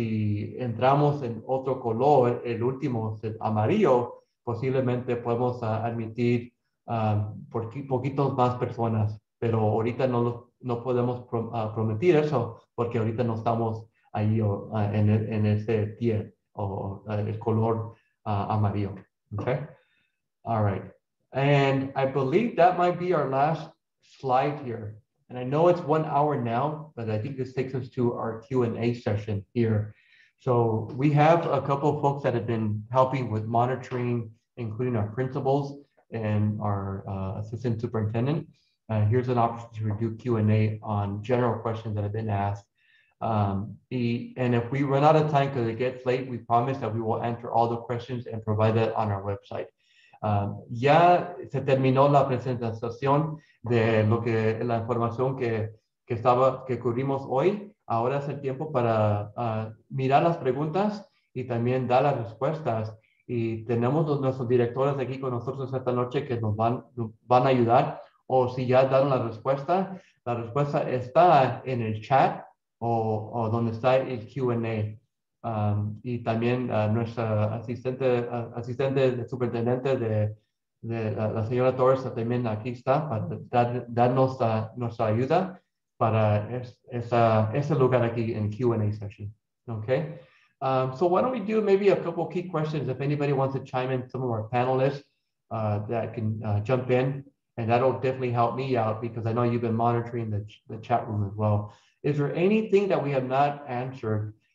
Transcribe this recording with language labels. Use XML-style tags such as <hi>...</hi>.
<es>si entramos en otro color, el último es el amarillo, posiblemente podemos admitir poquitos más personas, pero ahorita no podemos prometer eso porque ahorita no estamos ahí en ese tier o el color amarillo.</es> <en>Okay. All right. And I believe that might be our last slide here. And I know it's 1 hour now, but I think this takes us to our Q&A session here. So we have a couple of folks that have been helping with monitoring, including our principals and our assistant superintendent. Here's an opportunity to do Q&A on general questions that have been asked. And if we run out of time because it gets late, we promise that we will answer all the questions and provide that on our website.</en> <es>Ya se terminó la presentación de lo que la información que cubrimos hoy. Ahora es el tiempo para mirar las preguntas y también dar las respuestas. Y tenemos nuestros directores aquí con nosotros esta noche que nos van a ayudar. O si ya dieron la respuesta está en el chat o donde está el Q&A. Y también nuestra asistente de superintendente de la señora Torres también aquí está para darnos nuestra ayuda para ese lugar aquí en Q&A session.</es> <en>Okay. So why don't we do maybe a couple key questions if anybody wants to chime in, some of our panelists that can jump in, and that'll definitely help me out because I know you've been monitoring the chat room as well. Is there anything that we have not answered?</en>